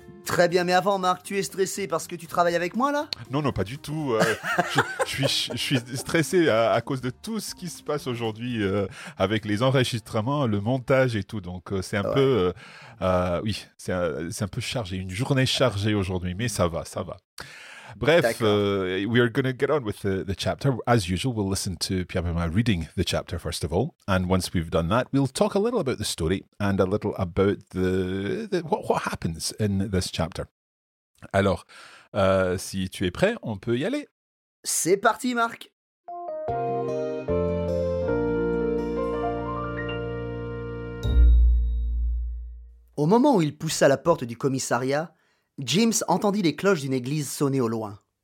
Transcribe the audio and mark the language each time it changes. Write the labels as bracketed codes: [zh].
[fr] Très bien, mais avant, Marc, tu es stressé parce que tu travailles avec moi, là? Non, pas du tout. je suis stressé à cause de tout ce qui se passe aujourd'hui avec les enregistrements, le montage et tout. Donc, c'est un peu... c'est un peu chargé, une journée chargée aujourd'hui, mais ça va, ça va. [en] Bref, we are going to get on with the chapter. As usual, we'll listen to Pierre-Benoît reading the chapter, first of all. And once we've done that, we'll talk a little about the story and a little about what happens in this chapter. [fr] Alors, si tu es prêt, on peut y aller. C'est parti, Marc. Au moment où il poussa la porte du commissariat, James entendit les cloches d'une église sonner au loin.